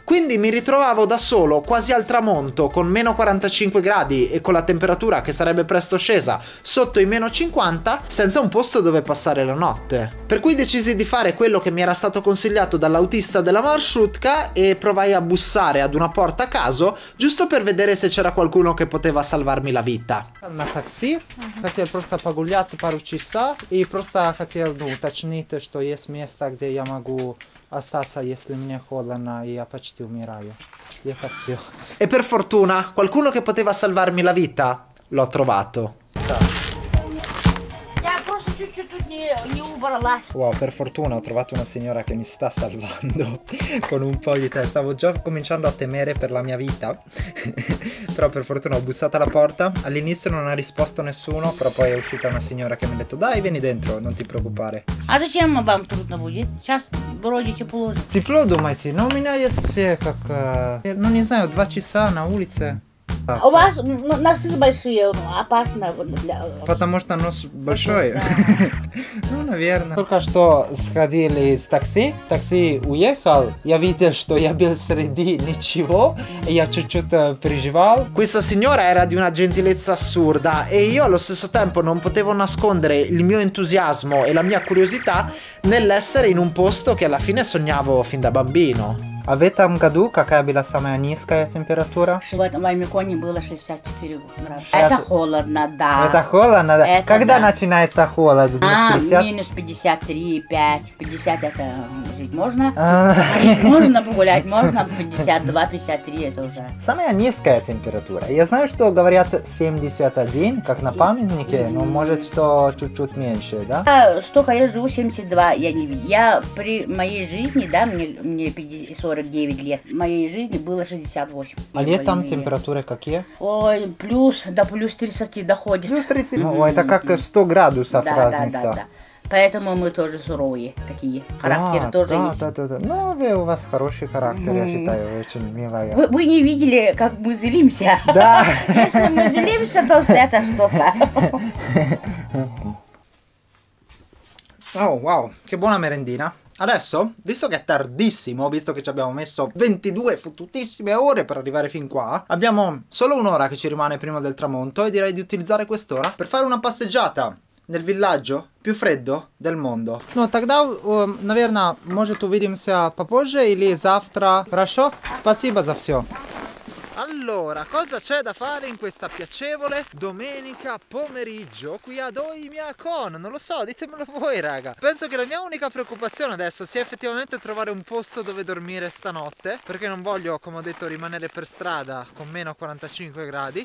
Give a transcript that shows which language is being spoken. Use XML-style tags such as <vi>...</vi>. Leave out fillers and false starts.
<it>Quindi mi ritrovavo da solo, quasi al tramonto, con meno 45 gradi e con la temperatura che sarebbe presto scesa sotto i meno 50, senza un posto dove passare la notte. Per cui decisi di fare quello che mi era stato consigliato dall'autista della marshrut e provai a bussare ad una porta a caso, giusto per vedere se c'era qualcuno che poteva salvarmi la vita. Una taxi,</it> <ru>хотел просто погулять пару часа и просто хотел, ну, уточнить, что есть место, где я могу остаться, если мне холодно и я почти умираю. Я такси.</ru> <it>E per fortuna, qualcuno che poteva salvarmi la vita l'ho trovato. Wow, per fortuna ho trovato una signora che mi sta salvando con un po' di tè. Stavo già cominciando a temere per la mia vita. Però per fortuna ho bussato alla porta. All'inizio non ha risposto nessuno, però poi è uscita una signora che mi ha detto: dai, vieni dentro, non ti preoccupare.</it> <ru>А зачем вам трудно будет? Сейчас вроде тепло уже. Тепло, думаете? Но у меня есть все как... Ну не знаю, два часа на улице. А у вас носы большие, опасно для... Потому что нос большой. Ну, наверное. Только что сходили с такси. Такси уехал. Я видел, что я без среди ничего. И я чуть-чуть переживал.</ru> <it>Questa signora era di una gentilezza assurda e io allo stesso tempo non potevo nascondere il mio entusiasmo e la mia curiosità nell'essere in un posto che alla fine sognavo fin da bambino.</it> <ru>Avete un gadu, какая была самая низкая температура? В этом Оймяконе было 64 градуса. Это холодно, да. Это холодно, да. Это когда да. Начинается холод? Минус 50? Минус 53,5. 50 это жить можно? Можно погулять, можно 52-53, это уже. Самая низкая температура. Я знаю, что говорят 71, как на памятнике, но может что чуть-чуть меньше, да? Я столько лет живу, 72. Я при моей жизни, да, мне 50. 49 лет. В моей жизни было 68. А летом температуры какие? Ой, плюс, до плюс 30 доходит. Плюс 30? Ну, это как 100 градусов разница. Да, да, да. Поэтому мы тоже суровые такие. Характер тоже да, есть. Да, да, да. Ну, вы, у вас хороший характер, я считаю, очень милая. Вы не видели, как мы злимся? Да. Если мы злимся, то это что-то.</ru> <it>Oh, wow, che buona merendina. Adesso, visto che è tardissimo, visto che ci abbiamo messo 22 fottutissime ore per arrivare fin qua, abbiamo solo un'ora che ci rimane prima del tramonto e direi di utilizzare quest'ora per fare una passeggiata nel villaggio più freddo del mondo.</it> <ru>No, тогда, наверное, может увидимся попозже или завтра. Хорошо? Спасибо за все.</ru> <it>Allora, cosa c'è da fare in questa piacevole domenica pomeriggio qui ad Oimiakon? Non lo so, ditemelo voi, raga. Penso che la mia unica preoccupazione adesso sia effettivamente trovare un posto dove dormire stanotte, perché non voglio, come ho detto, rimanere per strada con meno 45 gradi.</it>